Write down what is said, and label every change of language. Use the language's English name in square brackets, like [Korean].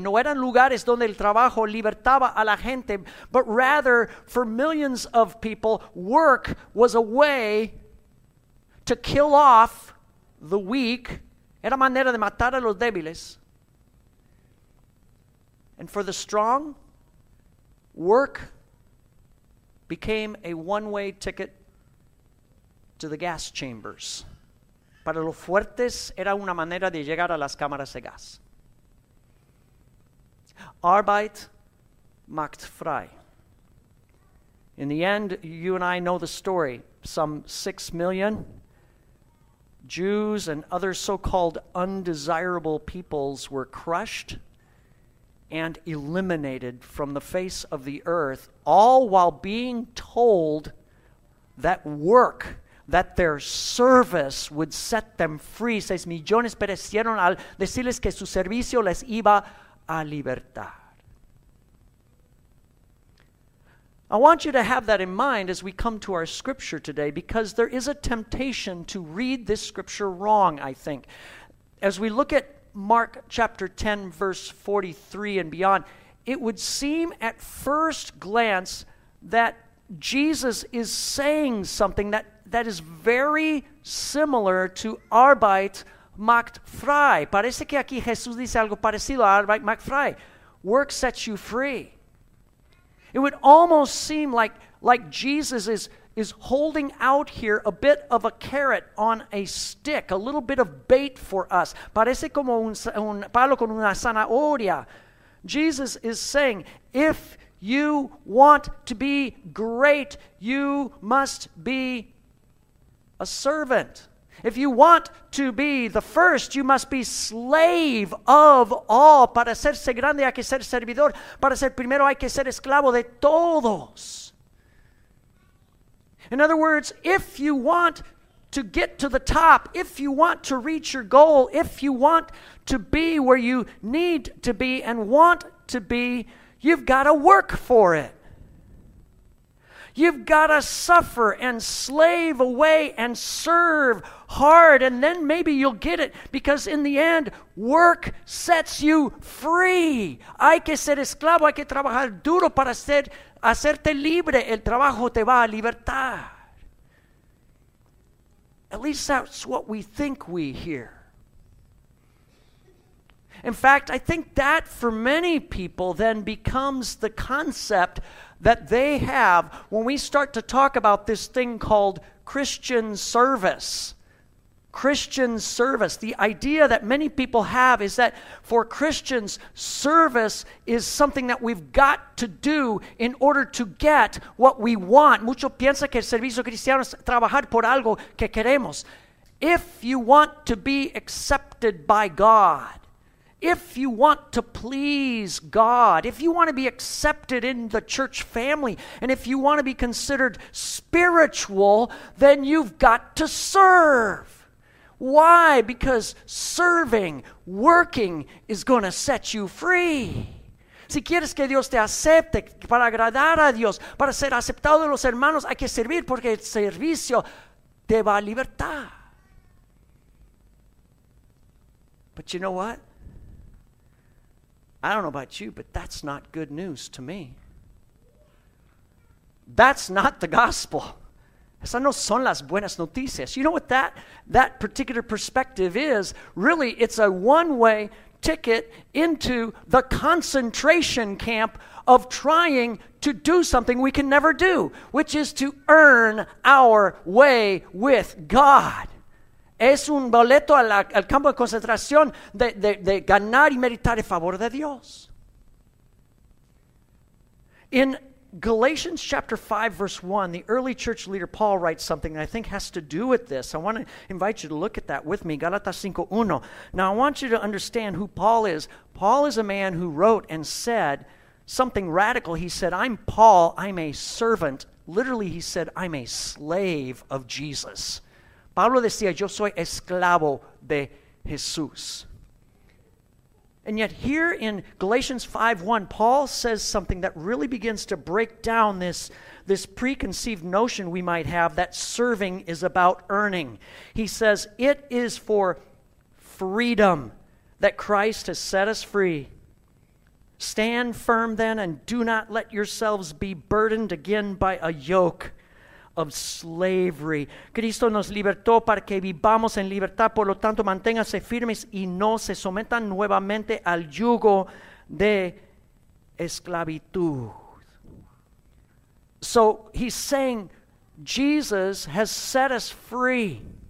[Spanish] No eran lugares donde el trabajo libertaba a la gente, [English] but rather, for millions of people, work was a way to kill off the weak. [Spanish] Era manera de matar a los débiles. [English] And for the strong, work became a one-way ticket to the gas chambers. [Spanish] Para los fuertes, era una manera de llegar a las cámaras de gas. [German] Arbeit macht frei. [English] In the end, you and I know the story. Some 6 million Jews and other so-called undesirable peoples were crushed and eliminated from the face of the earth, all while being told that work, that their service would set them free. [Spanish] 6 millones perecieron al decirles que su servicio les iba a libertar. [English] I want you to have that in mind as we come to our scripture today, because there is a temptation to read this scripture wrong, I think. As we look at Mark chapter 10, verse 43 and beyond, it would seem at first glance that Jesus is saying something that is very similar to [German] Arbeit macht frei. [Spanish] Parece que aquí Jesús dice algo parecido a [German] Arbeit macht frei. [English] Work sets you free. It would almost seem like Jesus is holding out here a bit of a carrot on a stick, a little bit of bait for us. [Spanish] Parece como un palo con una zanahoria. [English] Jesus is saying, if you want to be great, you must be a servant. If you want to be the first, you must be slave of all. [Spanish] Para hacerse grande hay que ser servidor. Para ser primero hay que ser esclavo de todos. [English] In other words, if you want to get to the top, if you want to reach your goal, if you want to be where you need to be and want to be, you've got to work for it. You've got to suffer and slave away and serve hard, and then maybe you'll get it, because in the end, work sets you free. [Spanish] Hay que ser esclavo, hay que trabajar duro para hacerte libre. El trabajo te va a libertar. [English] At least that's what we think we hear. In fact, I think that for many people then becomes the concept that they have when we start to talk about this thing called Christian service. Christian service. The idea that many people have is that for Christians, service is something that we've got to do in order to get what we want. [Spanish] Muchos piensan que el servicio cristiano es trabajar por algo que queremos. [English] If you want to be accepted by God, if you want to please God, if you want to be accepted in the church family, and if you want to be considered spiritual, then you've got to serve. Why? Because serving, working, is going to set you free. [Spanish] Si quieres que Dios te acepte, para agradar a Dios, para ser aceptado de los hermanos, hay que servir porque el servicio te va a libertar. [English] But you know what? I don't know about you, but that's not good news to me. That's not the gospel. [Spanish] Esas no son las buenas noticias. [English] You know what that particular perspective is? Really, it's a one-way ticket into the concentration camp of trying to do something we can never do, which is to earn our way with God. [Spanish] Es un boleto al campo de concentración de ganar y meritar el favor de Dios. [English] In Galatians chapter 5, verse 1, the early church leader Paul writes something that I think has to do with this. I want to invite you to look at that with me, Galatians 5:1. Now, I want you to understand who Paul is. Paul is a man who wrote and said something radical. He said, I'm Paul, I'm a servant. Literally, he said, I'm a slave of Jesus. [Spanish] Pablo decía, yo soy esclavo de Jesús. [English] And yet here in Galatians 5:1, Paul says something that really begins to break down this preconceived notion we might have that serving is about earning. He says, it is for freedom that Christ has set us free. Stand firm then and do not let yourselves be burdened again by a yoke of slavery. [Spanish] Cristo nos libertó para que vivamos en libertad, por lo tanto, manténganse firmes y no se sometan nuevamente al yugo de esclavitud. [English] So he's saying Jesus has set us free.